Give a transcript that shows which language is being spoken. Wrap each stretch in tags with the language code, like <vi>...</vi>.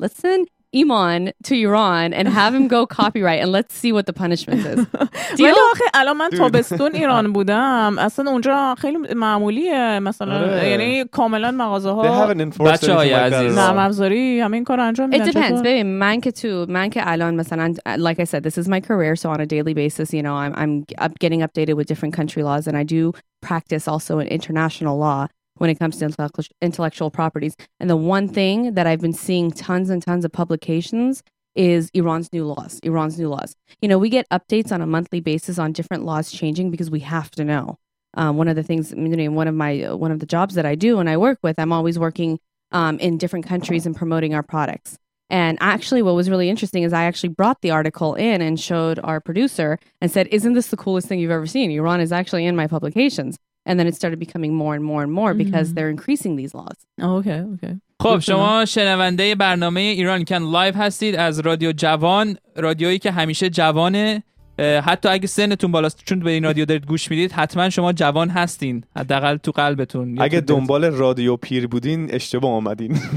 <en>Let's send Iman to Iran and have him go copyright and let's see what the punishment is.</en> <fa>ولی آخه الان من تابستون ایران بودم اصلا اونجا خیلی معمولیه مثلا یعنی کاملا مغازه ها بچه های عزیز نرم افزاری همه این کار انجام میدن</fa> <en>It depends.</en> <fa>ببین من که الان مثلا</fa> <en>like I said this is my career so on a daily basis you know I'm getting updated with different country laws and I do practice also in international law when it comes to intellectual properties. And the one thing that I've been seeing tons and tons of publications is Iran's new laws, Iran's new laws. You know, we get updates on a monthly basis on different laws changing because we have to know. One of the things, one of the jobs that I do and I work with, I'm always working in different countries and promoting our products. And actually what was really interesting is I actually brought the article in and showed our producer and said, isn't this the coolest thing you've ever seen? Iran is actually in my publications. And then it started becoming more and more and more because mm-hmm. they're increasing these laws. Oh, okay, okay.</en> <fa>خب شما شنونده برنامه ایران کن لایو هستید از رادیو جوان، رادیویی که همیشه جوانه. حتی اگه سنتون بالاست چون به این رادیو دارید گوش میدید حتما شما جوان هستین حداقل تو قلبتون اگه دنبال رادیو پیر بودین اشتباه اومدین</fa>